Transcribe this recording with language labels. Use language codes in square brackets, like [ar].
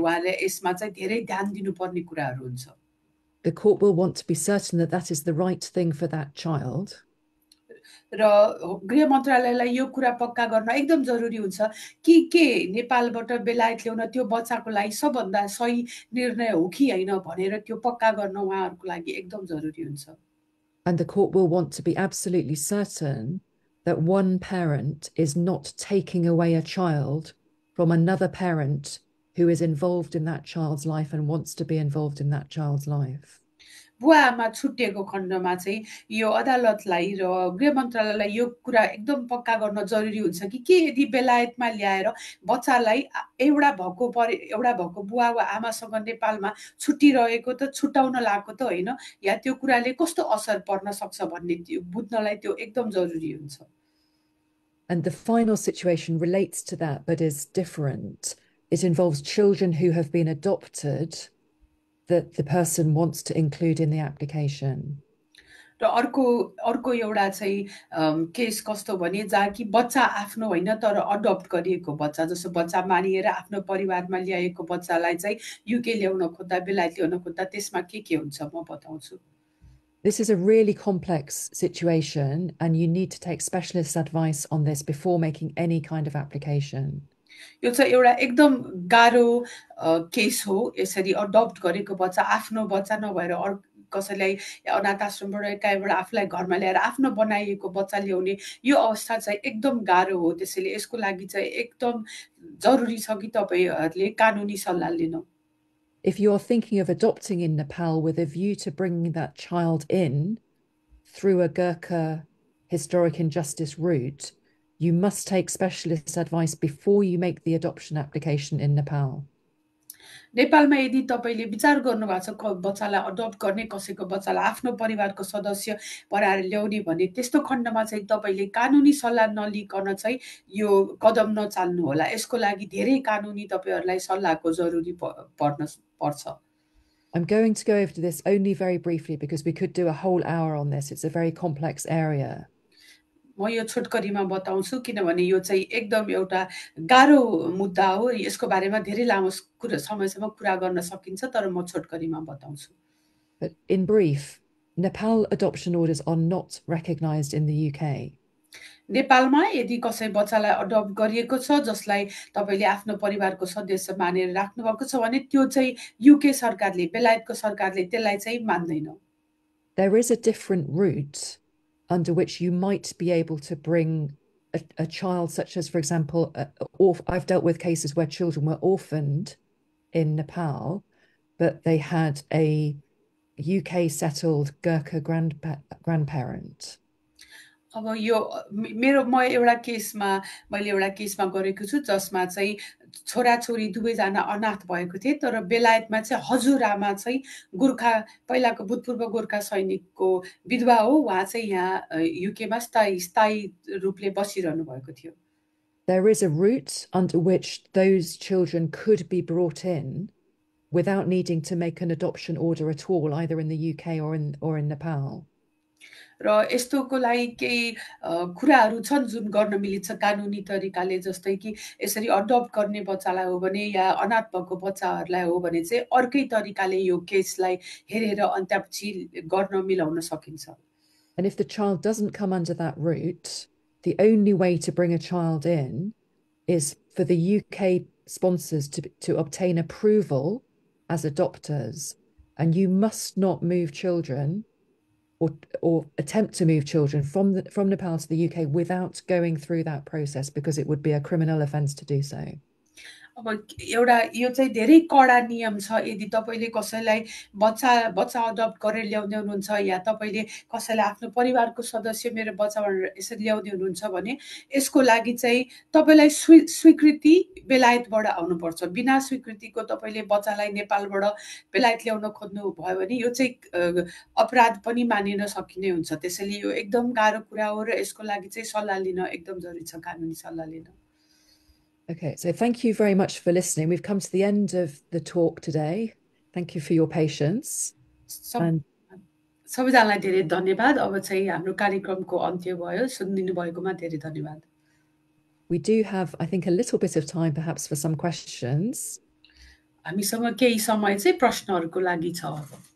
[ne] उहाँले यसमा चाहिँ धेरै ध्यान दिनुपर्ने कुराहरू हुन्छ। [en] The court will want to be certain that that is the right thing for that child. [ne] र गृह मन्त्रालयलाई यो कुरा पक्का गर्न एकदम जरुरी हुन्छ कि के नेपालबाट बेलायत ल्याउन त्यो बच्चाको लागि सबभन्दा सही निर्णय हो कि होइन भनेर त्यो पक्का गर्न उहाँहरूको लागि एकदम जरुरी हुन्छ। [en] And the court will want to be absolutely certain that one parent is not taking away a child from another parent who is involved in that child's life and wants to be involved in that child's life. [ne] बुवा आमा छुट्टिएको खण्डमा चाहिँ यो अदालतलाई र गृह मन्त्रालयलाई यो कुरा एकदम पक्का गर्न जरुरी हुन्छ कि के यदि बेलायतमा ल्याएर बच्चालाई एउटा भएको बुवा वा आमासँग नेपालमा छुट्टिरहेको त छुट्याउन लागेको त होइन, या त्यो कुराले कस्तो असर पर्न सक्छ भन्ने त्यो बुझ्नलाई त्यो एकदम जरुरी हुन्छ। [en] And the final situation relates to that, but is different. It involves children who have been adopted that the person wants to include in the application. [ne] र अर्को अर्को एउटा चाहिँ केस कस्तो भने, जहाँ कि बच्चा आफ्नो होइन तर अडप्ट गरिएको बच्चा, जस्तो बच्चा मानिएर आफ्नो परिवारमा ल्याएको बच्चालाई चाहिँ युके ल्याउन खोज्दा, बेलायत ल्याउन खोज्दा, त्यसमा के हुन्छ म बताउँछु। [en] This is a really complex situation, and you need to take specialist advice on this before making any kind of application. [ne] यो चाहिँ एउटा एकदम गाह्रो केस हो, यसरी अडप्ट गरेको बच्चा आफ्नो बच्चा नभएर अर्को कसैलाई अनाथ आश्रमबाट एकाएबाट आफूलाई घरमा ल्याएर आफ्नो बनाइएको बच्चा ल्याउने यो अवस्था चाहिँ एकदम गाह्रो हो, त्यसैले यसको लागि चाहिँ एकदम जरुरी छ कि तपाईँहरूले कानुनी सल्लाह लिनु। [en] If you are thinking of adopting in Nepal with a view to bringing that child in through a Gurkha historic injustice route, you must take specialist advice before you make the adoption application in Nepal. [ne] नेपालमा यदि तपाईँले विचार गर्नुभएको छ बच्चालाई adopt गर्ने, कसैको बच्चालाई आफ्नो परिवारको सदस्य बनाएर ल्याउने भने, त्यस्तो खण्डमा चाहिँ तपाईँले कानुनी सल्लाह नलिकन चाहिँ यो कदम नचाल्नु होला। यसको लागि धेरै कानुनी तपाईँहरूलाई सल्लाहको जरुरी पर्छ। [en] I'm going to go over to this only very briefly because we could do a whole hour on this. It's a very complex area. [ne] म यो छोटकरीमा बताउँछु किनभने यो चाहिँ एकदम एउटा गाह्रो मुद्दा हो, यसको बारेमा धेरै लामो कुरा समयसम्म कुरा गर्न सकिन्छ तर म छोटकरीमा बताउँछु। [en] But in brief, Nepal adoption orders are not recognized in the UK. [ne] नेपालमा यदि कसै बच्चालाई अडप्ट गरिएको छ जसलाई तपाईँले आफ्नो परिवारको सदस्य मानेर राख्नुभएको छ भने, त्यो चाहिँ युके सरकारले, बेलायतको सरकारले त्यसलाई चाहिँ मान्दैन। [en] There is a different route under which you might be able to bring a child, such as, for example, I've dealt with cases where children were orphaned in Nepal, but they had a UK settled Gurkha grandparent. [ne] अब यो मेरो म एउटा केसमा मैले एउटा केसमा गरेको छु जसमा चाहिँ छोराछोरी दुवैजना अनाथ भएको थिए, तर बेलायतमा चाहिँ हजुरआमा चाहिँ गोर्खा, पहिलाको भूतपूर्व गोर्खा सैनिकको विधवा हो, उहाँ चाहिँ यहाँ युकेमा स्थायी रूपले बसिरहनु भएको थियो। [en] There is a route under which those children could be brought in without needing to make an adoption order at all, either in the UK or in Nepal. [ne] र यस्तोको लागि केही कुराहरू छन् जुन गर्न मिलिन्छ कानुनी तरिकाले, जस्तै कि यसरी अडप्ट गर्ने बच्चालाई हो भने या अनाथ भएको बच्चाहरूलाई हो भने चाहिँ अर्कै तरिकाले यो केसलाई हेरेर अन्त्यपछि गर्न मिलाउन सकिन्छ। [en] And if the child doesn't come under that route, the only way to bring a child in is for the UK sponsors to obtain approval as adopters, and you must not move children or attempt to move children from Nepal to the UK without going through that process, because it would be a criminal offence to do so. [ne] अब एउटा यो चाहिँ धेरै कडा नियम छ। यदि तपाईँले कसैलाई बच्चा अडप्ट गरेर ल्याउँदै हुनुहुन्छ या तपाईँले कसैलाई आफ्नो परिवारको सदस्य मेरो बच्चा भनेर यसरी ल्याउँदै हुनुहुन्छ भने यसको लागि चाहिँ तपाईँलाई स्वीकृति बेलायतबाट आउनुपर्छ। बिना स्वीकृतिको तपाईँले बच्चालाई नेपालबाट बेलायत ल्याउन खोज्नुभयो भने यो चाहिँ अपराध पनि मानिन सकिने हुन्छ। त्यसैले यो एकदम गाह्रो कुरा हो र यसको लागि चाहिँ सल्लाह लिन एकदम जरुरी छ, कानुनी सल्लाह लिन। [en] Okay, so thank you very much for listening. We've come to the end of the talk today. Thank you for your patience. And [ne] सबैजनालाई धेरै धन्यवाद। अब चाहिँ हाम्रो कार्यक्रमको अन्त्य भयो, सुनिदिनु भएकोमा धेरै धन्यवाद। [en] we do have, I think, a little bit of time perhaps for some questions. [ne] हामीसँग केही समय चाहिँ प्रश्नहरूको लागि छ।